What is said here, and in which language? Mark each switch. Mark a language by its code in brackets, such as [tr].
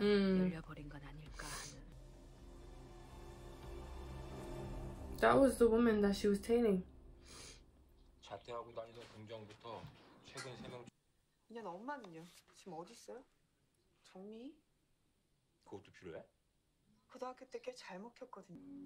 [ko] 열려버린 건 아닐까 하는. [en] That was the woman that she was tailing. [ko] 자퇴하고 다니던 공장부터 최근 세 명. 이년 엄마는요? 지금 어디 있어요? 정미? 그것도 필요해? 고등학교 때 꽤 잘 먹혔거든요.